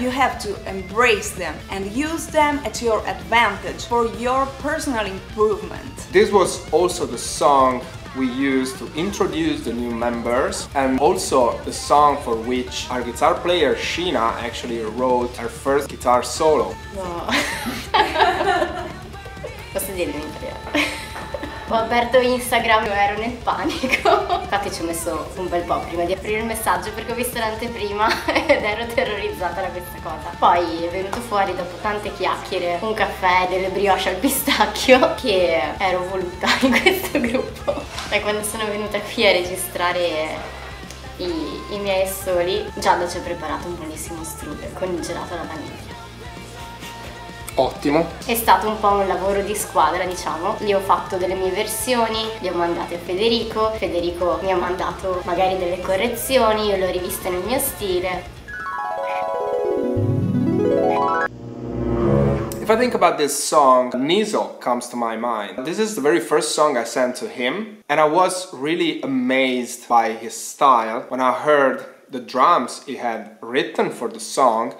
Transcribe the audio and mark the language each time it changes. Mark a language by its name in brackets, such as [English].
[English] You have to embrace them and use them at your advantage for your personal improvement. This was also the song we used to introduce the new members and also the song for which our guitar player Sheena actually wrote her first guitar solo. No. [Italian] Posso dirlo in italiano? Ho aperto Instagram, io ero nel panico. Infatti ci ho messo un bel po' prima di aprire il messaggio perché ho visto l'anteprima ed ero terrorizzata da questa cosa. Poi è venuto fuori dopo tante chiacchiere, un caffè, delle brioche al pistacchio, che ero voluta in questo gruppo. E quando sono venuta qui a registrare i miei soli, Jade ci ha preparato un buonissimo strudel con il gelato alla vaniglia. Ottimo. È stato un po' un lavoro di squadra, diciamo. Gli ho fatto delle mie versioni, le ho mandate a Federico. Federico mi ha mandato magari delle correzioni, io l'ho rivista nel mio stile. [English] If I think about this song, NISO comes to my mind. This is the very first song I sent to him, and I was really amazed by his style when I heard the drums he had written for the song.